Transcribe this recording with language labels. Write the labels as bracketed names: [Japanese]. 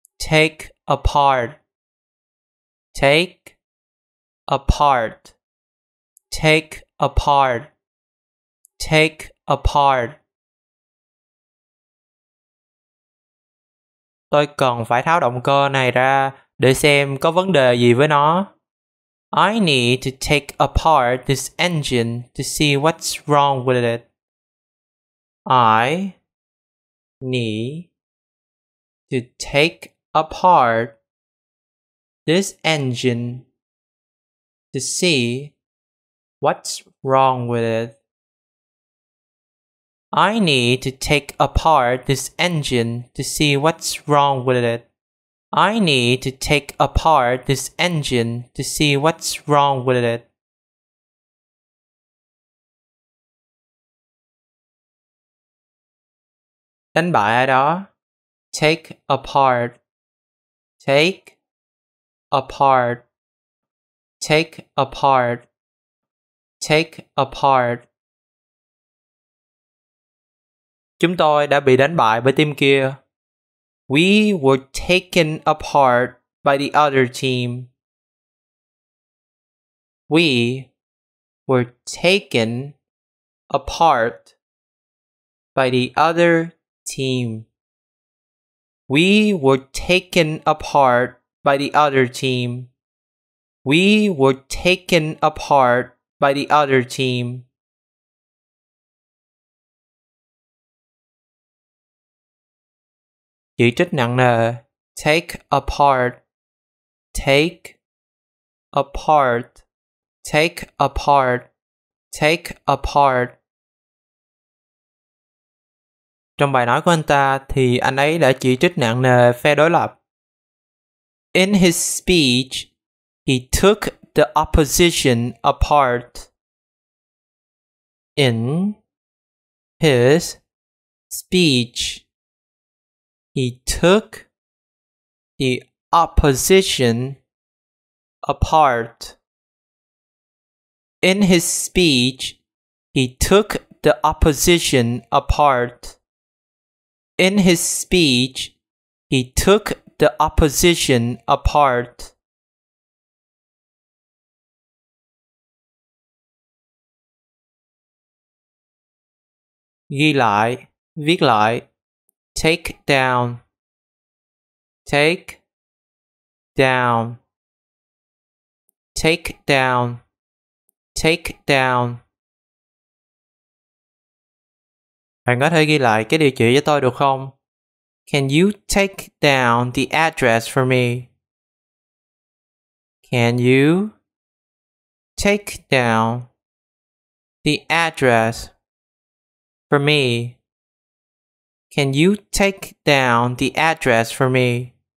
[English] Take apart. Take apart. Take apart. Take apart. [Vietnamese] Tôi cần phải tháo động cơ này ra để xem có vấn đề gì với nó. [English] I need to take apart this engine to see what's wrong with it. I need to take apart this engine to see what's wrong with it. I need to take apart this engine to see what's wrong with it. I need to take apart this engine to see what's wrong with it. [Vietnamese] Đánh bại ai đó. [English] Take apart. Take apart. Take apart. Take apart. [Vietnamese] Chúng tôi đã bị đánh bại bởi team kia. [English] We were taken apart by the other team. We were taken apart by the other team. We were taken apart by the other team. We were taken apart by the other team. [Vietnamese] Chỉ trích nặng nề. [English] Take apart. Take apart. Take apart. Take apart. [Vietnamese] Trong bài nói của anh ta thì anh ấy đã chỉ trích nặng nề phe đối lập. [English] In his speech, he took the opposition apart. In his speech, he took the opposition apart. In his speech, he took the opposition apart. In his speech, he took the opposition apart. [Vietnamese] Ghi lại, viết lại. [English] Take down. Take down. Take down. Take down. [Vietnamese] Bạn có thể ghi lại cái địa chỉ cho tôi được không? [English] Can you take down the address for me? Can you take down the address for me? Can you take down the address for me?